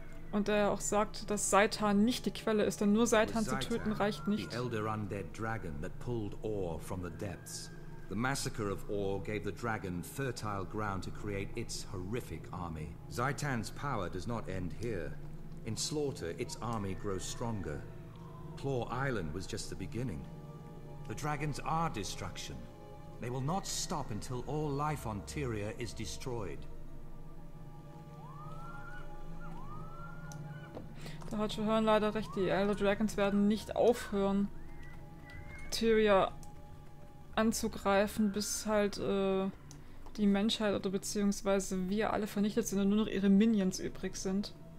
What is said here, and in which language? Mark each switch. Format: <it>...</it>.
<de>Und der auch sagt, dass Zaitan nicht die Quelle ist, denn nur Zaitan zu töten reicht nicht.</de> <en>The elder undead dragon that pulled Or from the depths. The massacre of Or gave the dragon fertile ground to create its horrific army. Zaitan's power does not end here. In slaughter, its army grows stronger. Claw Island was just the beginning. The dragons are destruction. They will not stop until all life on Tyria is destroyed.</en> <de>Da hat Johann leider recht, die Elder Dragons werden nicht aufhören, Tyria anzugreifen, bis halt die Menschheit oder beziehungsweise wir alle vernichtet sind und nur noch ihre Minions übrig sind.</de>